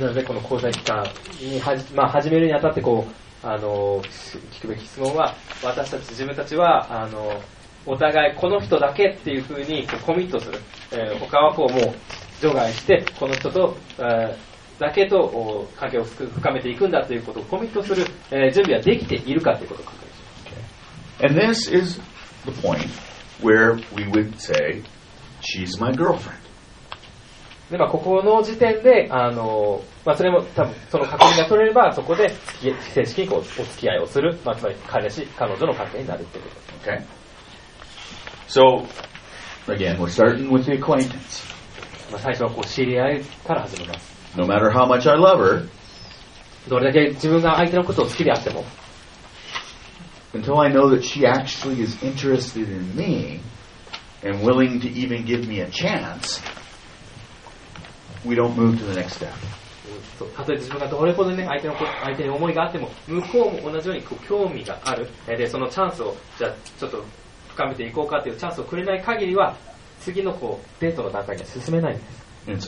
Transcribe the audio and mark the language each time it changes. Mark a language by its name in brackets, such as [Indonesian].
[Japanese] なのでこの交際期間に、まあ、始めるにあたってこう聞くべき質問は、私たち自分たちはお互いこの人だけっていうふうにこうコミットする、他はこうもう除外してこの人と、だけと関係を深めていくんだということをコミットする、準備はできているかということを考えています。 [English] And this is the point where we would say, she's my girlfriend. [Japanese] で、まあ、ここの時点で、まあ、それも多分その確認が取れれば、そこで正式にこうお付き合いをする、まあ、つまり彼氏、彼女の関係になるということです。 [English] Okay. So, again, we're starting with the acquaintance. [Japanese] まあ、最初はこう知り合いから始めます。 [English] No matter how much I love her, [Japanese] どれだけ自分が相手のことを好きであっても、 [English] until I know that she actually is interested in me and willing to even give me a chance, we don't move to the next step. [Japanese] たとえ自分がどれほどね相手に思いがあっても、向こうも同じようにこう興味がある、でそのチャンスをじゃあちょっと深めていこうかっていうチャンスをくれない限りは、次のこうデートの段階には進めないんです。